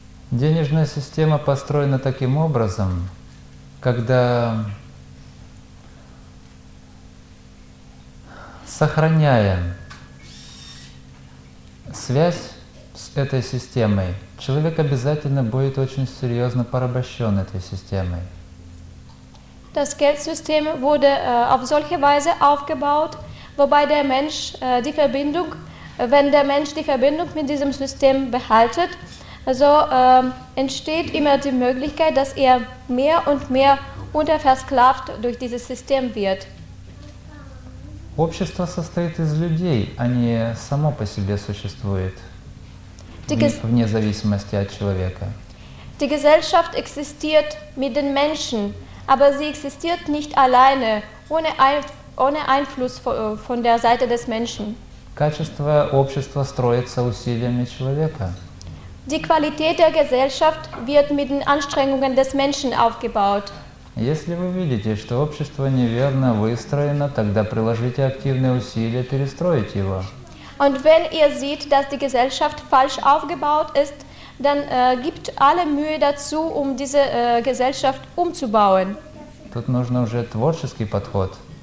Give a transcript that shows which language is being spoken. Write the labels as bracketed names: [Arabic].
[Russian] Денежная система построена таким образом, когда сохраняя связь с этой системой, человек обязательно будет очень серьезно порабощен этой системой. [German] Das Geldsystem wurde auf solche Weise aufgebaut, wobei der Mensch die Verbindung, wenn der Mensch die Verbindung mit diesem System behaltet, so entsteht immer die Möglichkeit, dass mehr und mehr unterversklavt durch dieses System wird. [Russian] Общество состоит из людей, а не само по себе существует. Вне зависимости от человека. [German] Die Gesellschaft existiert mit den Menschen, aber sie existiert nicht alleine, ohne Einfluss von der Seite des Menschen. [Russian] Качество общества строится усилиями человека. [German] Die Qualität der Gesellschaft wird mit den Anstrengungen des Menschen aufgebaut. [Russian] Если вы видите, что общество неверно выстроено, тогда приложите активные усилия перестроить его. [German] Und wenn ihr seht, dass die Gesellschaft falsch aufgebaut ist, dann gibt alle Mühe dazu, diese Gesellschaft umzubauen. [Russian] Тут нужно уже творческий подход.